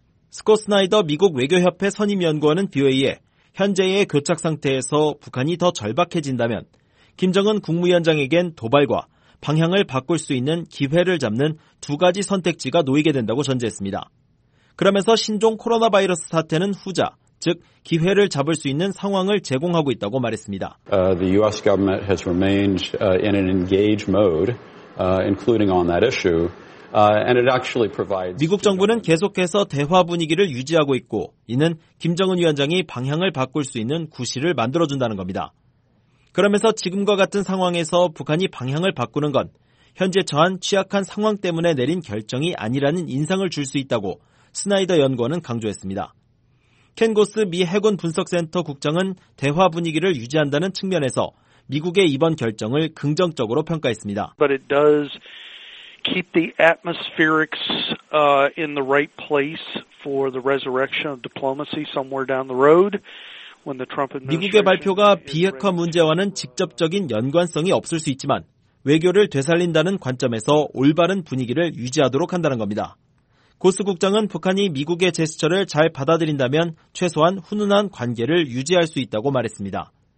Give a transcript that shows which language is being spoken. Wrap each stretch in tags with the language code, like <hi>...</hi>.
<ko>스콧 스나이더 미국 외교협회 선임연구원은 BOA에 현재의 교착 상태에서 북한이 더 절박해진다면 김정은 국무위원장에겐 도발과 방향을 바꿀 수 있는 기회를 잡는 두 가지 선택지가 놓이게 된다고 전제했습니다. 그러면서 신종 코로나 바이러스 사태는 후자, 즉 기회를 잡을 수 있는 상황을 제공하고 있다고 말했습니다.</ko> <en>The U.S. government has remained in an engaged mode, including on that issue, and it actually provides.</en> <ko>미국 정부는 계속해서 대화 분위기를 유지하고 있고, 이는 김정은 위원장이 방향을 바꿀 수 있는 구실을 만들어 준다는 겁니다. 그러면서 지금과 같은 상황에서 북한이 방향을 바꾸는 건 현재 처한 취약한 상황 때문에 내린 결정이 아니라는 인상을 줄 수 있다고 스나이더 연구원은 강조했습니다. 켄 고스 미 해군 분석센터 국장은 대화 분위기를 유지한다는 측면에서 미국의 이번 결정을 긍정적으로 평가했습니다.</ko> <en>But it does keep the atmospherics in the right place for the resurrection of diplomacy somewhere down the road when the Trump administration.</en> <ko>미국의 발표가 비핵화 문제와는 직접적인 연관성이 없을 수 있지만 외교를 되살린다는 관점에서 올바른 분위기를 유지하도록 한다는 겁니다. 고스 국장은 북한이 미국의 제스처를 잘 받아들인다면 최소한 훈훈한 관계를 유지할 수 있다고 말했습니다.</ko>